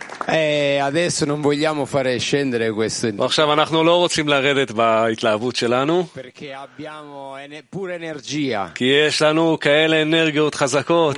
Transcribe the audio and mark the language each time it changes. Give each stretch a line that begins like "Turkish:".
Italian: Adesso non vogliamo fare scendere questo.
Hebrew: עכשיו אנחנו לא רוצים לרדת בהתלהבות שלנו.
Italian: Perché abbiamo pure energia.
Hebrew: כי יש לנו כאלה אנרגיות חזקות.